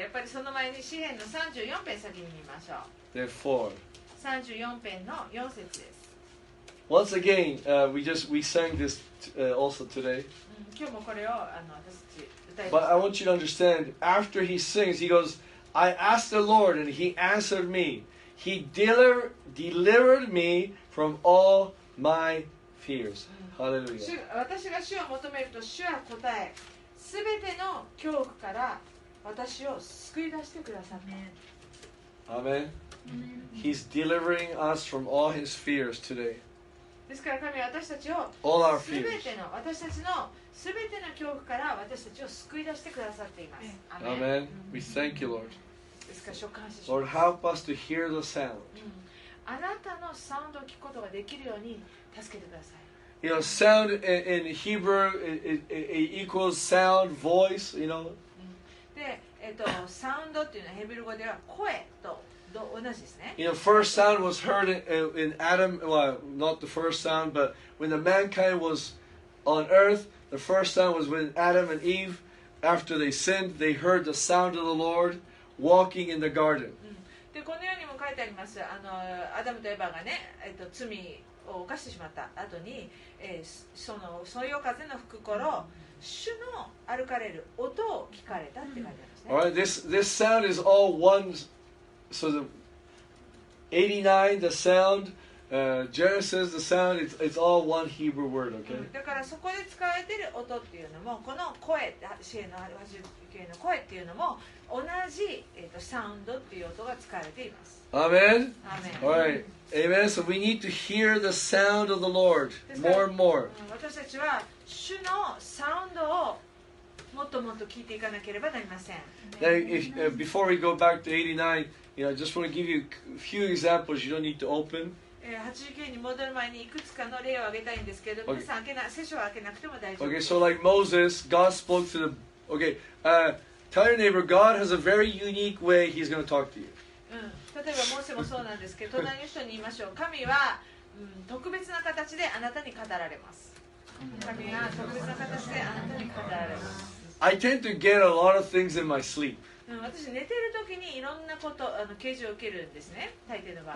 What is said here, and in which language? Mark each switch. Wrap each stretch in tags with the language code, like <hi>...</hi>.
<ja>やっぱりその前に詩篇の34篇先に見ましょう。</ja> <en>Therefore.</en> <ja>34篇の4節です。</ja> <en>Once again, we sang this also today.</en> <ja>今日もこれを私たち歌います。</ja> <en>But I want you to understand, after he sings, he goes, I asked the Lord and he answered me. He delivered me from all my fears. Hallelujah.</en> <ja>私が主を求めると主は答え、すべての恐怖から私を救い出してくださった。</ja> <en>アメン。He's delivering us from all his fears today.</en> <ja>ですから神は私たちを、</ja> <en>all our fears.</en> <ja>私たちのすべての恐怖から私たちを救い出してくださっています。</ja> <en>アメン。We thank you, Lord.</en> <ja>ですから召喚します。</ja> <en>Lord, help us to hear the sound.</en> <ja>あなたのサウンドを聞くことができるように助けてください。</ja> <en>You know, sound in Hebrew it equals sound, voice, you know.</en> <ja>で、サウンドっていうのはヘブル語では声と同じですね。</ja> <en>You know, first sound was heard in Adam, well, not the first sound, but when the mankind was on earth, the first sound was when Adam and Eve, after they sinned, they heard the sound of the Lord walking in the garden.</en> <ja>で、このようにも書いてあります。あの、アダムとエヴァがね、罪を犯してしまった後に、その、そよ風の吹く頃、主の歩かれる音を聞かれたって書いてあるんですね。</ja> <en>All right, this sound is all one, so the 89, the sound, Genesis, the sound, it's all one Hebrew word, okay?</en> <ja>だからそこで使われてる音っていうのも、この声、詩編の89の声っていうのも、同じ、サウンドっていう音が使われています。</ja> <en>Amen. Amen. All right. Amen. So we need to hear the sound of the Lord more and more.</en> <ja>私たちは主のサウンドをもっともっと聞いていかなければなりません。</ja> <en>Now, before we go back to 89, you know, I just want to give you a few examples you don't need to open.</en> <ja>89に戻る前にいくつかの例を挙げたいんですけど、皆さん開けな、聖書を開けなくても大丈夫です。</ja> <en>Okay, so like Moses, God spoke to the... Okay, tell your neighbor, God has a very unique way he's going to talk to you.</en> <ja>例えばモーセもそうなんですけど、隣の人に言いましょう。神は、特別な形であなたに語られます。神は特別な形であなたに語られます。</ja> <en>I tend to get a lot of things in my sleep.</en> <ja>私寝てる時にいろんなこと、啓示を受けるんですね、大抵の場合。</ja>